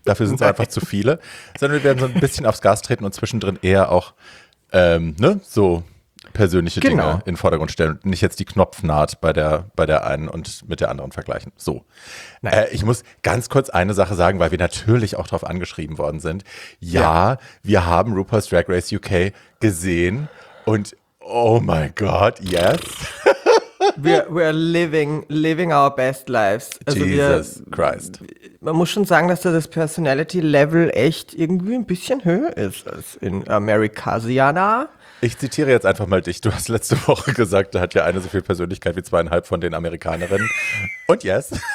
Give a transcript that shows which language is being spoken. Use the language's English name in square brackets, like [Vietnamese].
[German] Dafür sind es einfach zu viele. Sondern wir werden so ein bisschen aufs Gas treten und zwischendrin eher auch so persönliche Dinge in den Vordergrund stellen und nicht jetzt die Knopfnaht bei der einen und mit der anderen vergleichen. So. Ich muss ganz kurz eine Sache sagen, weil wir natürlich auch darauf angeschrieben worden sind. Ja, wir haben RuPaul's Drag Race UK gesehen und [English] oh my God, yes. We're living our best lives. Also Jesus Christ. [German] Man muss schon sagen, dass da das Personality-Level echt irgendwie ein bisschen höher ist als in Amerikasiana. Ich zitiere jetzt einfach mal dich. Du hast letzte Woche gesagt, da hat ja eine so viel Persönlichkeit wie 2,5 von den Amerikanerinnen. Und yes.